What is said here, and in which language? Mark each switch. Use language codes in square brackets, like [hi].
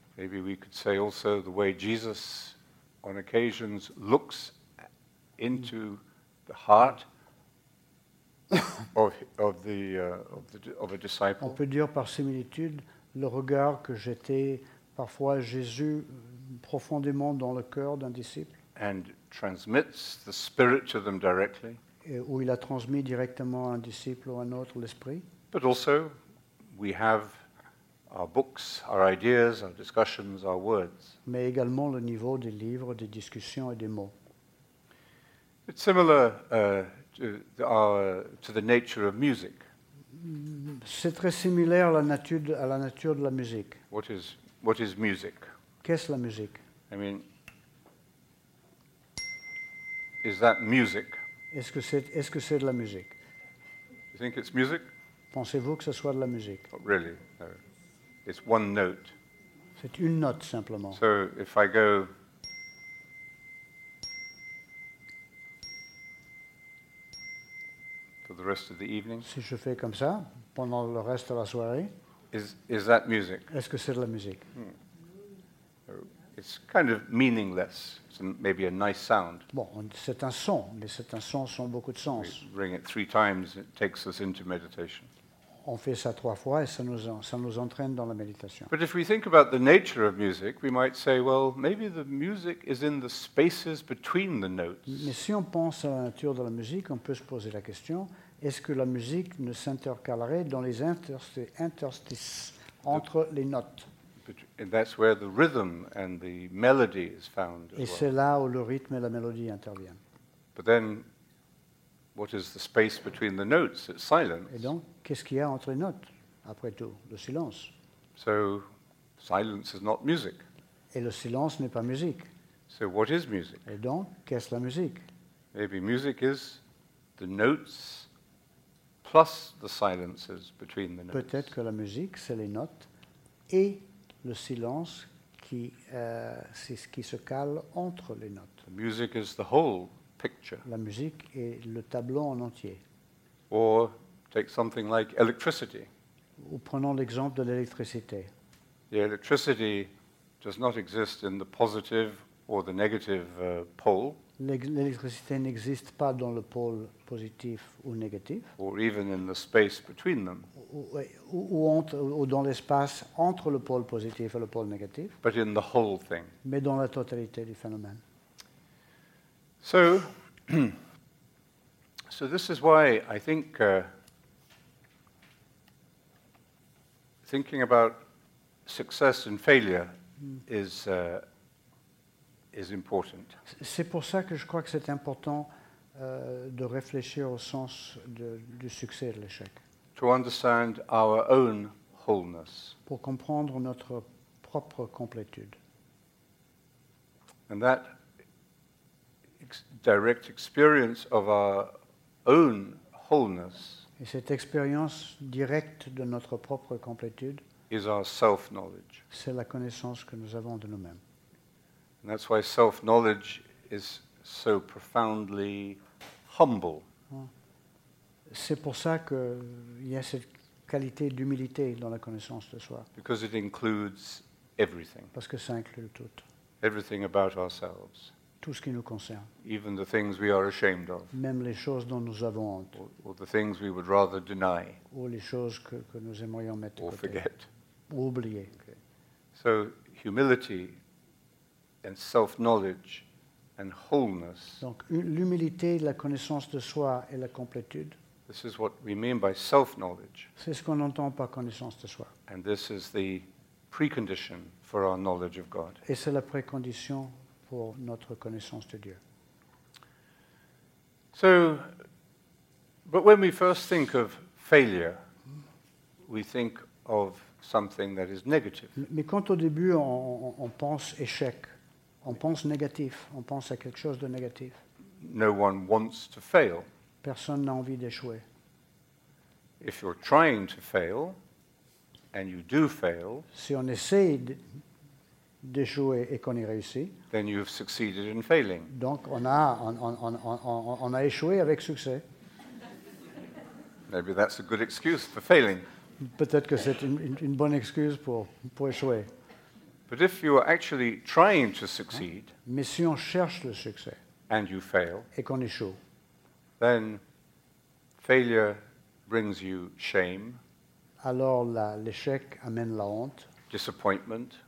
[en] Maybe we could say also the way Jesus, on occasions, looks into the heart of a disciple. [fr] On peut dire par similitude le regard que jetait parfois Jésus profondément dans le cœur d'un disciple. [en] And transmits the spirit to them directly. [fr] Et où il a transmis directement à un disciple ou à un autre l'esprit. [en] But also, we have our books, our ideas, our discussions, our words. [fr] Mais également le niveau des livres, des discussions et des mots. [en] It's similar to the nature of music. [fr] C'est très similaire à la nature de la musique. [en] What is music? [fr] Qu'est-ce la musique? [en] I mean, is that music? [fr] Est-ce que c'est de la musique? [en] You think it's music? [fr] Pensez-vous que ce soit de la musique? [en] Not really, no. It's one note. [fr] C'est une note simplement. [en] So if I go. The rest of the evening. [fr] Si je fais comme ça pendant le reste de la soirée, [en] is that music? [fr] Est-ce que c'est de la musique? [en] It's kind of meaningless. It's maybe a nice sound. [fr] Bon, c'est un son, mais c'est un son sans beaucoup de sens. [en] We ring it three times, it takes us into meditation. [fr] On fait ça trois fois et ça nous entraîne dans la méditation. [en] But if we think about the nature of music, we might say, well, maybe the music is in the spaces between the notes. [fr] Mais si on pense à la nature de la musique, on peut se poser la question, est-ce que la musique ne s'intercalerait dans les interstices entre les notes? [en] And that's where the rhythm and the melody is found. [fr] Et c'est là où le rythme et la mélodie interviennent. [en] But then, what is the space between the notes? It's silence. [fr] Et donc, qu'est-ce qu'il y a entre les notes, après tout, le silence? [en] So, silence is not music. [fr] Et le silence n'est pas musique. [en] So, what is music? [fr] Et donc, qu'est-ce la musique? [en] Maybe music is the notes plus the silences between the notes. [fr] Peut-être que la musique, c'est les notes et le silence qui, c'est ce qui se cale entre les notes. [en] The music is the whole picture. [fr] La musique est le tableau en entier. [en] Or take something like electricity. [fr] Ou prenons l'exemple de l'électricité. [en] The electricity does not exist in the positive or the negative pole. [fr] L'électricité n'existe pas dans le pôle positif ou négatif. [en] Or even in the space between them. [fr] Ou dans l'espace entre le pôle positif et le pôle négatif. [en] But in the whole thing. [fr] Mais dans la totalité du phénomène. [en] So this is why I think thinking about success and failure is important. [fr] C'est pour ça que je crois que c'est important de réfléchir au sens du succès et de l'échec. [en] To understand our own wholeness. [fr] Pour comprendre notre propre complétude. [en] And that direct experience of our own wholeness. [fr] Et cette expérience directe de notre propre complétude. [en] Is our self-knowledge. [fr] C'est la connaissance que nous avons de nous-mêmes. [en] And that's why self-knowledge is so profoundly humble. [fr] C'est pour ça que il y a cette qualité d'humilité dans la connaissance de soi. [en] Because it includes everything. [fr] Parce que ça inclut tout. [en] Everything about ourselves. [fr] Tout ce qui nous concerne. [en] Even the things we are ashamed of. [fr] Même les choses dont nous avons honte. [en] Or the things we would rather deny. [fr] Ou les choses que nous aimerions mettre de côté. [en] Or forget. [fr] Ou oublier. Okay. [en] So humility and self-knowledge and wholeness. [fr] Donc l'humilité, la connaissance de soi et la complétude. [en] This is what we mean by self-knowledge. [fr] C'est ce qu'on entend par connaissance de soi. [en] And this is the precondition for our knowledge of God. [fr] Et c'est la précondition pour notre connaissance de Dieu. [en] So, but when we first think of failure, we think of something that is negative. [fr] Mais quand au début on pense échec, on pense négatif, on pense à quelque chose de négatif. [en] No one wants to fail. [fr] Personne n'a envie d'échouer. [en] If you're trying to fail, and you do fail. [fr] Si on essaie d'échouer et qu'on y réussit. [en] Then you've succeeded in failing. [fr] Donc on a échoué avec succès. [en] Maybe that's a good excuse for failing. [fr] Peut-être que c'est une bonne excuse pour échouer. [en] But if you are actually trying to succeed, [fr] mais si on cherche le succès, [en] and you fail, [fr] et qu'on échoue, [en] then failure brings you shame. [fr] Alors l'échec amène la honte. [en] Disappointment.